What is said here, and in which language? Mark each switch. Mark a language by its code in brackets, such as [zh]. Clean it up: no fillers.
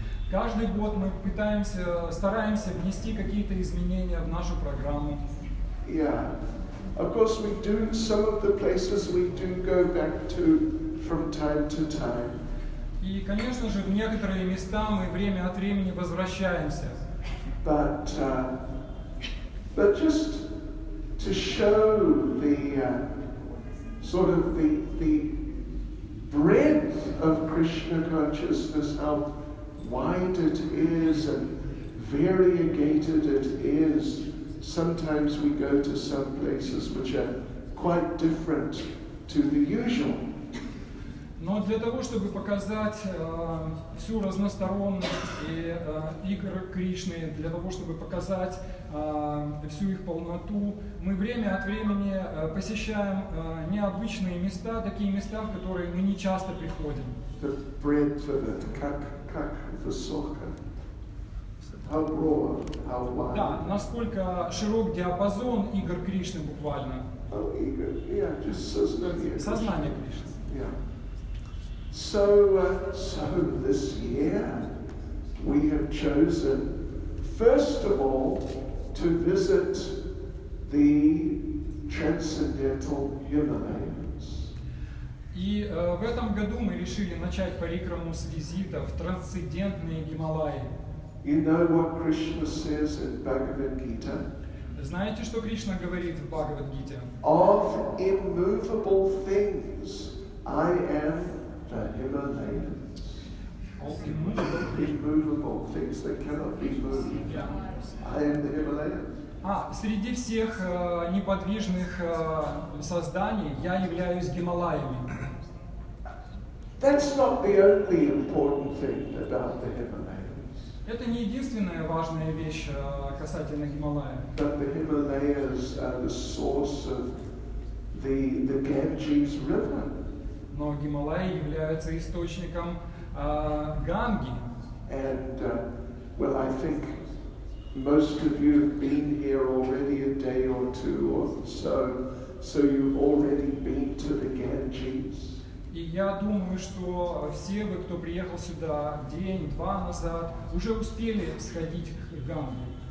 [ru] Каждый год мы пытаемся, стараемся внести какие-то изменения в нашу программу. [en] Yeah. Of course, we do some of the places we do go back to from time to time. [ru] И, конечно же, в некоторые места мы время от времени возвращаемся. [en] But just to show the sort of the breadth of Krishna consciousness, how wide it is and variegated it is. Sometimes we go to some places which are quite different to the usual. [ru] Но для того, чтобы показать всю разносторонность игр Кришны, для того, чтобы показать всю их полноту, мы время от времени посещаем необычные места, такие места, в которые мы не часто приходим. [en] The breadth of it, [ru] как высоко. [en] How broad, how wide. [ru] Да, насколько широк диапазон игр Кришны буквально. Сознание Кришны. [en] So this year we have chosen first of all to visit the transcendental humanities. [ru] И в этом году мы решили начать парикраму с визита в трансцендентные Гималаи. [en] You know what Krishna says in Bhagavad Gita? [ru] Знаете, что Кришна говорит в Бхагавад-гите? [en] Of immovable things I am the Himalayas. Immovable things that cannot be moved. I am the Himalayas. [ru] А среди всех неподвижных созданий я являюсь Гималаями. [en] That's not the only important thing about the Himalayas. [ru] Это не единственная важная вещь касательно Гималаев. [en] But the Himalayas are the source of the Ganges River. [ru] Но Гималаи являются источником Ганги. [en] And well, I think most of you have been here already a day or two or so, so you've already been to the Ganges. [ru] И я думаю, что все вы, кто приехал сюда день-два назад, уже успели сходить к Ганге.